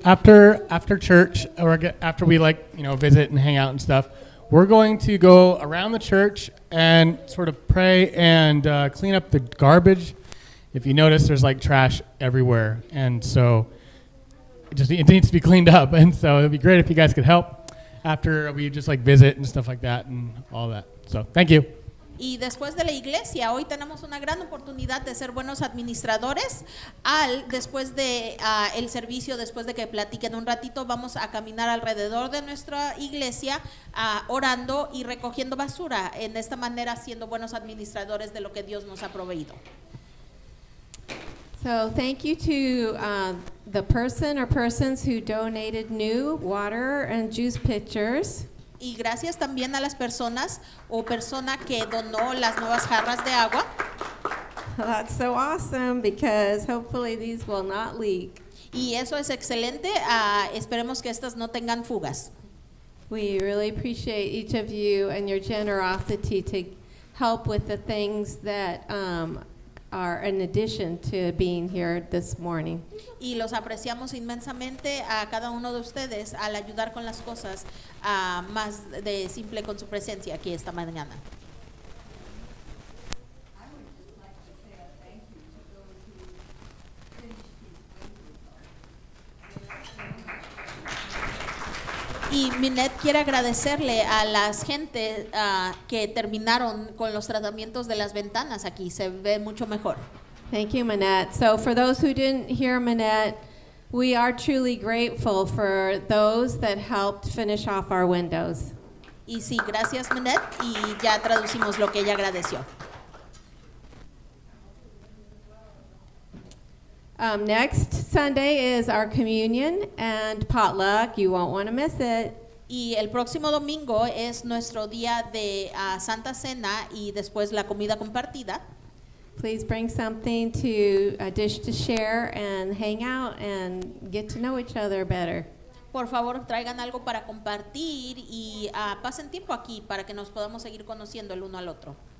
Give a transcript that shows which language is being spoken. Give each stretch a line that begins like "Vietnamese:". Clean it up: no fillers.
English: After church, or after we visit and hang out and stuff, we're going to go around the church and sort of pray and clean up the garbage. If you notice, there's trash everywhere, and so it needs to be cleaned up. And so it'd be great if you guys could help after we just visit and stuff like that and all that. So thank you.
Spanish: Y después de la iglesia, hoy tenemos una gran oportunidad de ser buenos administradores. Después de el servicio, después de que platiquen un ratito, vamos a caminar alrededor de nuestra iglesia orando y recogiendo basura. En esta manera, siendo buenos administradores de lo que Dios nos ha proveído.
English: So, thank you to the person or persons who donated new water and juice pitchers.
Spanish: Y gracias también a las personas o persona que donó las nuevas jarras de agua.
English: That's so awesome because hopefully these will not leak.
Spanish: Y eso es excelente. Esperemos que estas no tengan fugas.
English: We really appreciate each of you and your generosity to help with the things that are an addition to being here this morning.
Spanish: Y los apreciamos inmensamente a cada uno de ustedes al ayudar con las cosas más de simple con su presencia aquí esta mañana. Y Minette quiere agradecerle a las gente que terminaron con los tratamientos de las ventanas aquí. Se ve mucho mejor.
English: Thank you, Minette. So for those who didn't hear Minette, we are truly grateful for those that helped finish off our windows.
Spanish: Y sí, gracias, Minette. Y ya traducimos lo que ella agradeció.
English: Next Sunday is our communion and potluck. You won't want to miss it.
Spanish: Y el próximo domingo es nuestro día de Santa Cena y después la comida compartida.
English: Please bring something to a dish to share and hang out and get to know each other better.
Spanish: Por favor, traigan algo para compartir y pasen tiempo aquí para que nos podamos seguir conociendo el uno al otro.